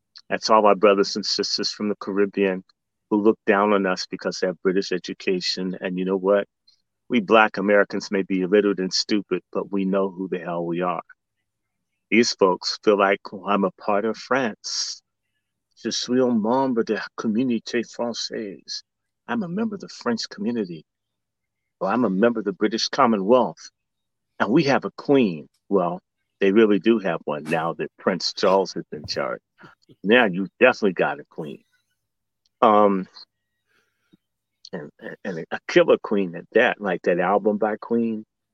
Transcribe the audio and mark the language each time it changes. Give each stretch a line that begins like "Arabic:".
English: That's all our brothers and sisters from the Caribbean who look down on us because they have British education. And you know what? We Black Americans may be illiterate and stupid, but we know who the hell we are. These folks feel like, oh, I'm a part of France.
French: Je suis un membre de la communauté française.
English: I'm a member of the French community. Well, I'm a member of the British Commonwealth. And we have a queen. Well, they really do have one now that Prince Charles has been charged. Now you definitely got a queen. And a killer queen at that, like that album by Queen.